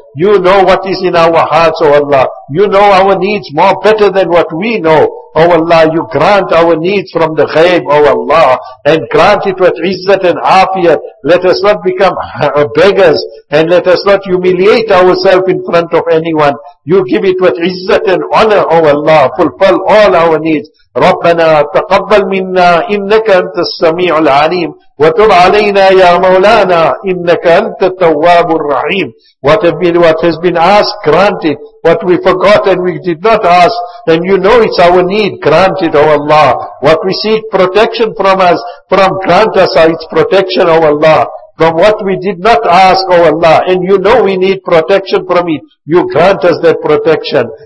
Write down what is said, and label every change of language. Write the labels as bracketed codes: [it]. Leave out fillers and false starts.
[en] You know what is in our hearts, oh Allah. You know our needs more better than what we know. Oh Allah, you grant our needs from the ghaib, oh Allah, and grant it with izzat and afiyat. Let us not become beggars, and let us not humiliate ourselves in front of anyone. You give it with izzat and honor, oh Allah. Fulfill all our needs. [ar] ربنا تقبل منا إنك أنت السميع العليم وتب علينا يا مولانا إنك أنت التواب الرحيم. [en] What has been asked, granted. What we forgot and we did not ask, and you know it's our need, granted, O Allah. What we seek protection from us, from grant us its protection, O Allah. From what we did not ask, O Allah, and you know we need protection from it, you grant us that protection.